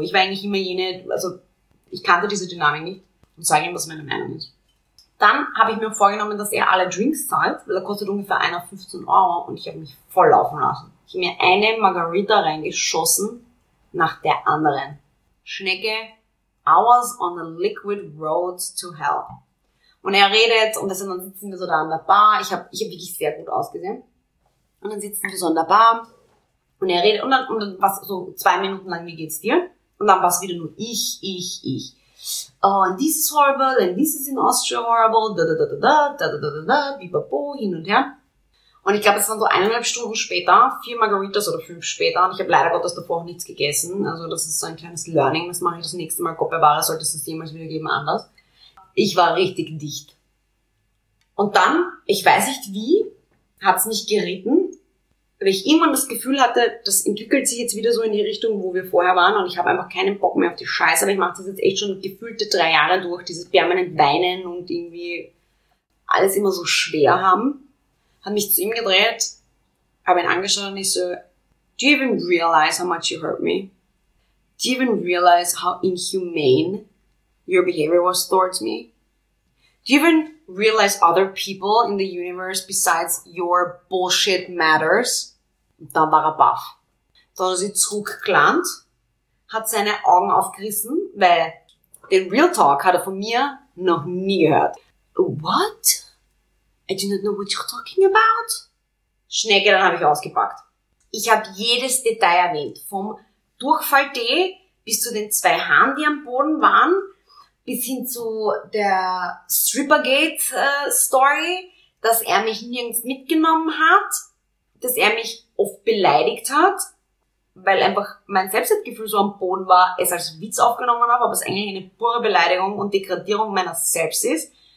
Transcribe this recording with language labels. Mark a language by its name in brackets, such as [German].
[German] Ich war eigentlich immer jene, also ich kannte diese Dynamik nicht und sage ihm, was meine Meinung ist. Dann habe ich mir vorgenommen, dass er alle Drinks zahlt, weil er kostet ungefähr 1 auf 15 Euro und ich habe mich voll laufen lassen. Ich habe mir eine Margarita reingeschossen nach der anderen. [English] Schnecke, I was on the liquid road to hell. [German] Und er redet und dann sitzen wir so da an der Bar. Ich hab wirklich sehr gut ausgesehen. Und dann sitzen wir so an der Bar und er redet und dann was so 2 Minuten lang, wie geht's dir? Und dann war es wieder nur ich. [English] Oh, and this is horrible, and this is in Austria horrible, [German] da, bibabo, hin und her. Und ich glaube, es waren so 1,5 Stunden später, 4 Margaritas oder 5 später, und ich habe leider Gottes davor auch nichts gegessen. Also das ist so ein kleines Learning, das mache ich das nächste Mal. Gott bewahre, sollte es das jemals wieder geben, anders. Ich war richtig dicht. Und dann, ich weiß nicht wie, hat es mich geritten, weil ich irgendwann das Gefühl hatte, das entwickelt sich jetzt wieder so in die Richtung, wo wir vorher waren, und ich habe einfach keinen Bock mehr auf die Scheiße, aber ich mache das jetzt echt schon gefühlte 3 Jahre durch, dieses permanent Weinen und irgendwie alles immer so schwer haben. Hat mich zu ihm gedreht, habe ihn angeschaut und ich so, [English] do you even realize how much you hurt me? Do you even realize how inhumane your behavior was towards me? Do you even realize other people in the universe besides your bullshit matters? [German] Und dann war er baff. Dann hat er sich zurückgelandt, hat seine Augen aufgerissen, weil den Real Talk hat er von mir noch nie gehört. [English] What? I do not know what you're talking about. [German] Schnecke, dann habe ich ausgepackt. Ich habe jedes Detail erwähnt. Vom Durchfall-Tee bis zu den 2 Haaren, die am Boden waren, bis hin zu der Strippergate-Story, dass er mich nirgends mitgenommen hat, dass er mich oft beleidigt hat, weil einfach mein Selbstwertgefühl so am Boden war, es als Witz aufgenommen habe, aber es eigentlich eine pure Beleidigung und Degradierung meiner selbst ist.